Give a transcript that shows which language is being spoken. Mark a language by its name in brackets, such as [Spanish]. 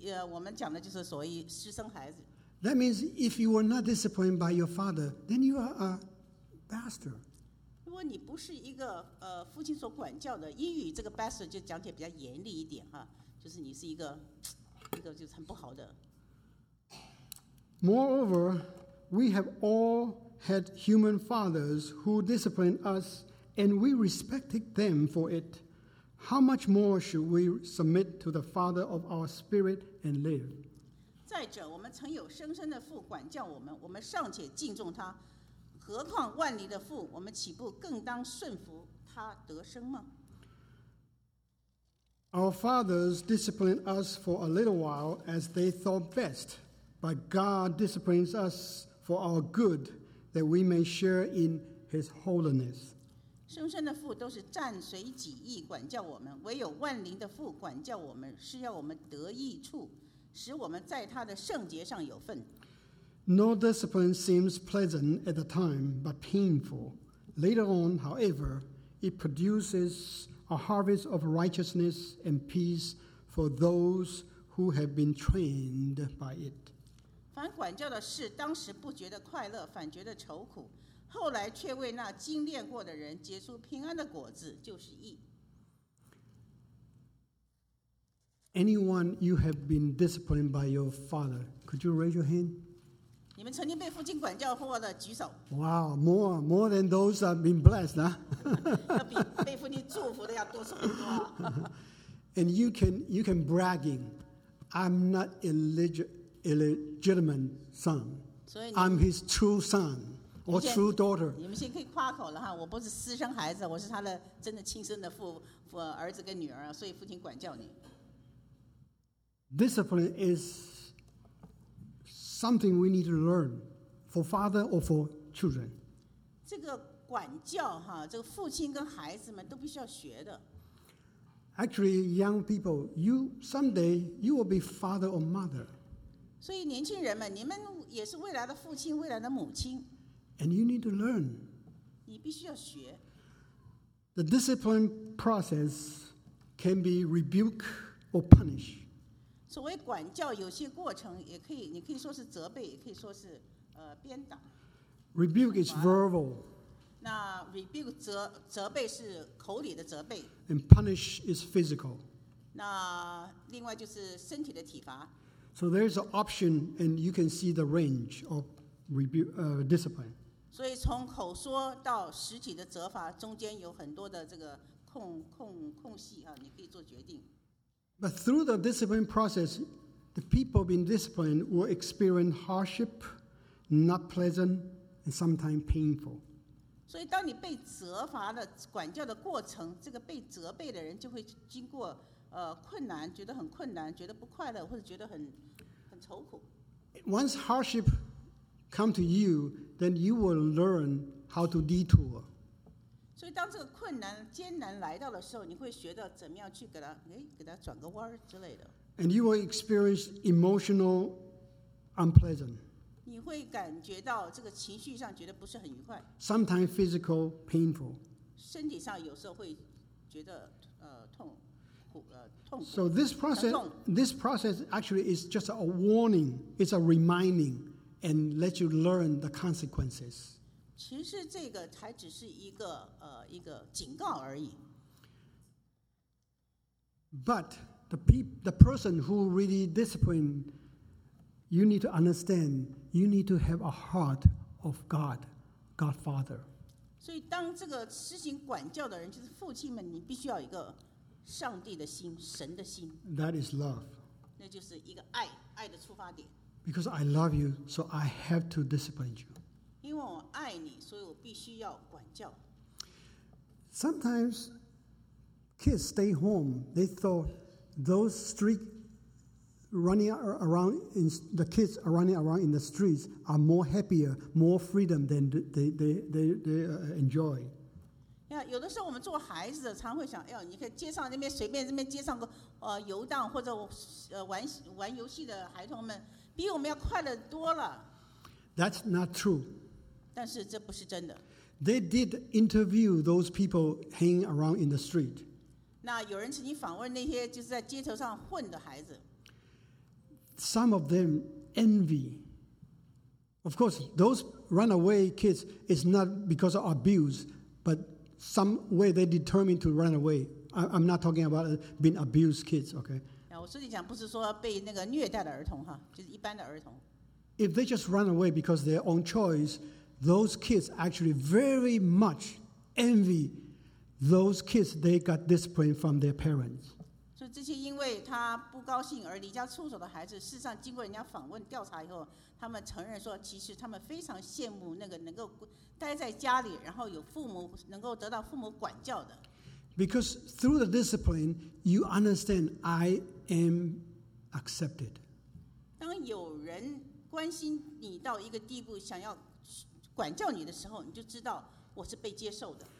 [Chinese] 我们讲的就是所谓私生孩子。 [English] That means if you were not disciplined by your father, then you are a bastard. [Chinese] 如果你不是一个父亲所管教的，英语这个 bastard 就讲起来比较严厉一点哈，就是你是一个就是很不好的。 [English] Moreover, we have all had human fathers who disciplined us. And we respected them for it. How much more should we submit to the Father of our spirit and live? [Chinese] 再者，我们曾有生生的父管教我们，我们尚且敬重他，何况万里的父，我们岂不更当顺服他得生吗？ [English] Our fathers disciplined us for a little while as they thought best, but God disciplines us for our good, that we may share in His holiness. [Chinese] 生生的父都是暂随己意管教我们，唯有万灵的父管教我们，是要我们得益处，使我们在他的圣洁上有份。 [English] No discipline seems pleasant at the time, but painful. Later on, however, it produces a harvest of righteousness and peace for those who have been trained by it. [Chinese] 凡管教的事，当时不觉得快乐，反觉得愁苦。后来却为那经炼过的人结出平安的果子，就是义。 [English] Anyone you have been disciplined by your father? Could you raise your hand? [Chinese] 你们曾经被父亲管教过的举手。 [English] Wow, more than those that have been blessed, huh? [Chinese] 要比被父亲祝福的要多很多。 [English] And you can bragging, I'm not illegitimate son. I'm his true son. Or true daughter. [Chinese] 你们先可以夸口了哈，我不是私生孩子，我是他的真的亲生的父儿子跟女儿，所以父亲管教你。 [English] Discipline is something we need to learn for father or for children. [Chinese] 这个管教哈，这个父亲跟孩子们都必须要学的。 [English] Actually, young people, you someday you will be father or mother. [Chinese] 所以年轻人们，你们也是未来的父亲，未来的母亲。 [English] And you need to learn. [Chinese] 你必须要学。 [English] The discipline process can be rebuke or punish. [Chinese] 所谓管教有些过程也可以，你可以说是责备，也可以说是鞭打。 [English] Rebuke is verbal. [Chinese] 那 rebuke 责备是口里的责备。 [English] And punish is physical. [Chinese] 那另外就是身体的体罚。 [English] So there's an option, and you can see the range of discipline. [Chinese] 所以从口说到实体的责罚中间有很多的这个 空隙、啊、你可以做决定。 [English] But through the discipline process, the people being disciplined will experience hardship, not pleasant, and sometimes painful. [Chinese] 所以当你被责罚的管教的过程，这个被责备的人就会经过困难，觉得很困难，觉得不快乐，或者觉得很愁苦。 [English] Once hardship come to you,Then you will learn how to detour. [Chinese] 所以当这个困难艰难来到的时候，你会学到怎么样去给它转个弯之类的。 [English] And you will experience emotional unpleasant. [Chinese] 你会感觉到这个情绪上觉得不是很愉快。 [English] Sometimes physical painful. [Chinese] 身体上有时候会觉得痛苦痛苦。 [English] So this process actually is just a warning. It's a reminding. And let you learn the consequences. [Chinese] 其实这个才只是一个警告而已。 [English] But the person who really discipline, you need to understand, you need to have a heart of God, God Father. [Chinese] 所以当这个施行管教的人，就是父亲们，你必须要有一个上帝的心，神的心。 [English] That is love. [Chinese] 那就是一个爱，爱的出发点。 [English] Because I love you, so I have to discipline you. [Chinese] 因为我爱你，所以我必须要管教。 [English] Sometimes kids stay home. They thought those streets running around, the kids are running around in the streets are more happier, more freedom than they enjoy. [Chinese] Yeah, 有的时候我们做孩子的，常会想，哎呦，你看街上那边随便这边街上个游荡或者玩游戏的孩童们，比我们要快乐多了。 [English] That's not true. [Chinese] 但是这不是真的。 [English] They did interview those people hanging around in the street. [Chinese] 那有人曾经访问那些就是在街头上混的孩子。 [English] Some of them envy. Of course, those runaway kids is not because of abuse, but some way they determined to run away. I'm not talking about being abused kids, okay? [Chinese] 我说你讲不是说被那个虐待的儿童哈，就是一般的儿童。 [English] If they just run away because their own choice. Those kids actually very much envy those kids they got disciplined from their parents. [Chinese] So, 这些因为他不高兴而离家出走的孩子，事实上经过人家访问调查以后，他们承认说，其实他们非常羡慕那个能够待在家里，然后有父母能够得到父母管教的。 [English] Because through the discipline, you understand I am accepted. [Chinese] 当有人关心你到一个地步，想要管教你的时候，你就知道我是被接受的。